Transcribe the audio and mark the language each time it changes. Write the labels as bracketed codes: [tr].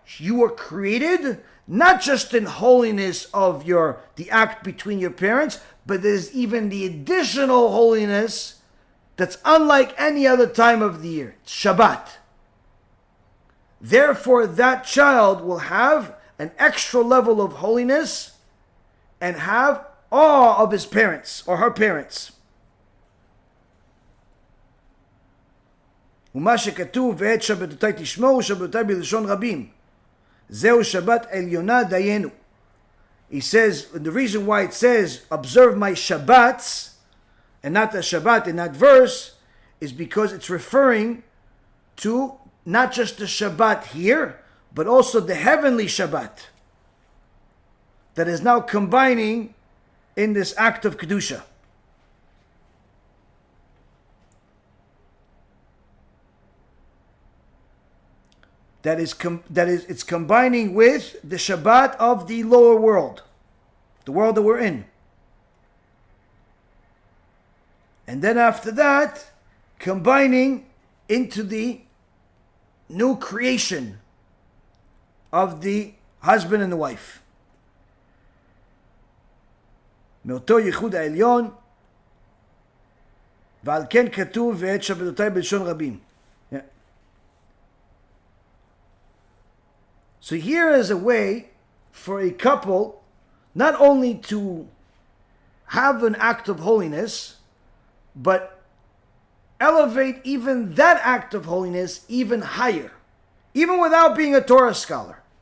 [en] You were created not just in holiness of the act between your parents, but there's even the additional holiness that's unlike any other time of the year. It's Shabbat. Therefore, that child will have an extra level of holiness and have awe of his parents or her parents. [he] ומה שכתוב ואת שבתותי תשמור ושבתותי בלשון רבים זהו שבת עליונה דיינו. [en] He says, the reason why it says observe my Shabbats and not the Shabbat in that verse is because it's referring to not just the Shabbat here but also the heavenly Shabbat that is now combining in this act of Kedusha. It's combining with the Shabbat of the lower world, the world that we're in. And then after that, combining into the new creation of the husband and the wife. [he] מאותו ייחוד העליון, ועל כן כתוב ואת שבתותי בלשון רבים. [en] So here is a way for a couple not only to have an act of holiness, but elevate even that act of holiness even higher, even without being a Torah scholar.